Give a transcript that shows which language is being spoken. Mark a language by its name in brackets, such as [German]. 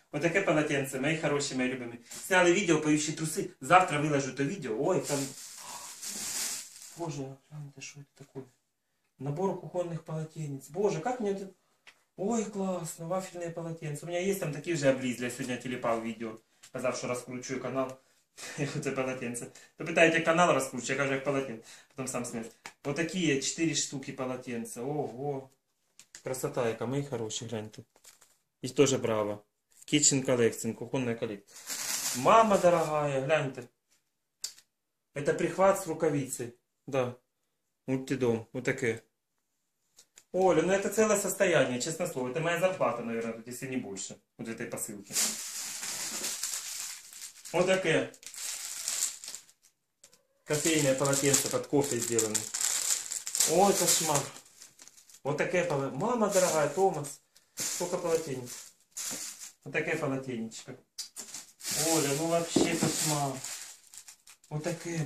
[Russian] Вот такое полотенце, мои хорошие, мои любимые. Сняли видео, поющие трусы. Завтра выложу это видео. Ой, там... Боже, это что это такое? Набор кухонных полотенец. Боже, как мне это... Ой, классно, вафельные полотенца. У меня есть там такие же облизли. Я сегодня телепал видео. [Ukrainian] Сказав, що розкручую канал, це полотенце. То питаєте, як канал розкручує, я кажу, як полотенце. Потім сам сміюсь. Отакі є, 4 штуки полотенце. Ого! Красота яка, мої хороші, гляньте. І теж браво. [English] Kitchen Collection, [Ukrainian] кухонна колекція. [Russian] Мама дорогая, [Ukrainian] гляньте. Це прихват з рукавиці. Да. Мультидом, отаке. Оля, ну це ціле состояние, чесне слово. Це моя зарплата, мабуть, тут, якщо не більше. От цієї посилки. [Russian] Вот такое кофейное полотенце под кофе сделано. Ой, кошмар. Вот такое полотенце. Мама дорогая, Томас. Сколько полотенец. Вот такое полотенечко. Оля, ну вообще кошмар. Вот такое.